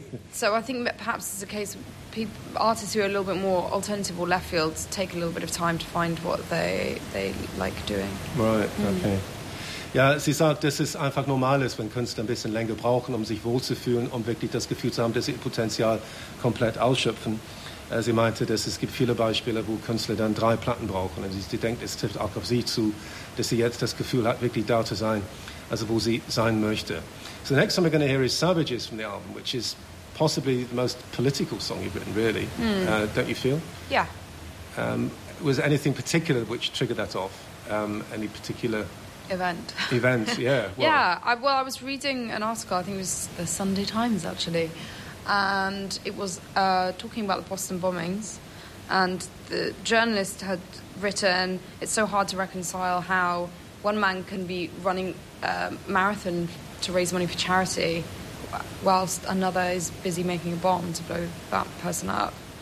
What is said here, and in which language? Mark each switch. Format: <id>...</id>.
<en>so I think that perhaps it's a case of artists who are a little bit more alternative or left field take a little bit of time to find what they like doing.</en> <de>Right, Ja, sie sagt, dass es einfach normal ist, wenn Künstler ein bisschen länger brauchen, um sich wohlzufühlen, um wirklich das Gefühl zu haben, dass sie ihr Potenzial komplett ausschöpfen. Sie meinte, dass es gibt viele Beispiele, wo Künstler dann drei Platten brauchen. Und sie denkt, es trifft auch auf sie zu, dass sie jetzt das Gefühl hat, wirklich da zu sein, also wo sie sein möchte.</de> <en>So the next one we're going to hear is Savages from the album, which is possibly the most political song you've written, really. Mm. Don't you feel? Yeah. Was there anything particular which triggered that off? Any particular event, yeah. I was reading an article, I think it was the Sunday Times actually, and it was talking about the Boston bombings, and the journalist had written, it's so hard to reconcile how one man can be running a marathon to raise money for charity whilst another is busy making a bomb to blow that person up.</en>